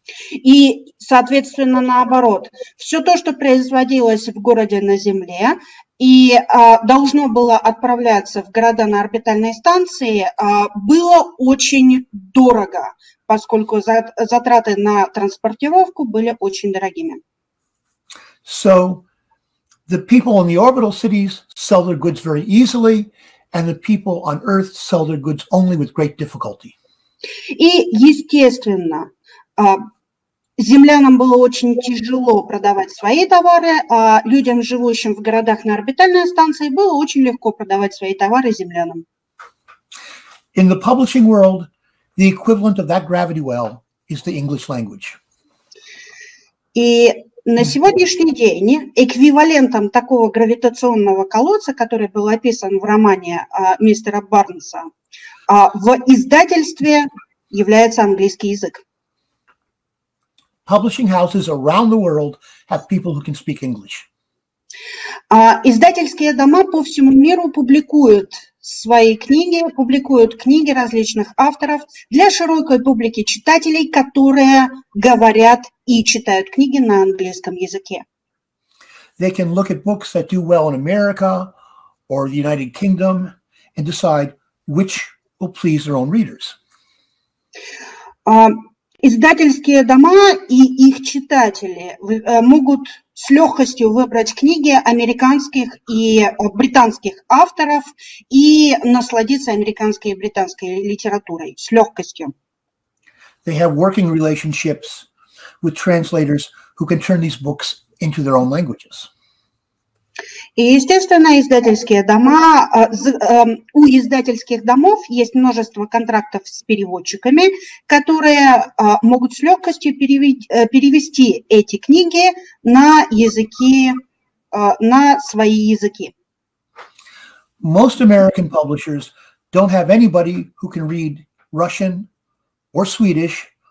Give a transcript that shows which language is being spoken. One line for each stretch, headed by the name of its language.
Russian: И, соответственно, наоборот, все то, что производилось в городе на Земле и должно было отправляться в города на орбитальной станции, было очень дорого, поскольку затраты на транспортировку были очень дорогими.
English: So, the people in the orbital cities sell their goods very easily, and the people on Earth sell their goods only with great difficulty.
Russian: И, естественно, землянам было очень тяжело продавать свои товары, а людям, живущим в городах на орбитальной станции, было очень легко продавать свои товары землянам.
English: In the publishing world, the equivalent of that gravity well is the English language.
Russian: И на сегодняшний день эквивалентом такого гравитационного колодца, который был описан в романе мистера Барнса, в издательстве является английский язык.
English: Publishing houses around the world have people who can speak English.
Russian: Издательские дома по всему миру публикуют свои книги, публикуют книги различных авторов для широкой публики читателей, которые говорят и читают книги на английском языке.
English: They can look at books that do well in America or the United Kingdom and decide which will please their own readers.
Russian: Издательские дома и их читатели могут с легкостью выбрать книги американских и британских авторов и насладиться американской и британской литературой с легкостью.
English: They have working relationships with translators who can turn these books into their own languages.
Russian: И, естественно, у издательских домов есть множество контрактов с переводчиками, которые могут с легкостью перевести эти книги на свои языки.
English: Most American publishers don't have anybody who can read Russian or Swedish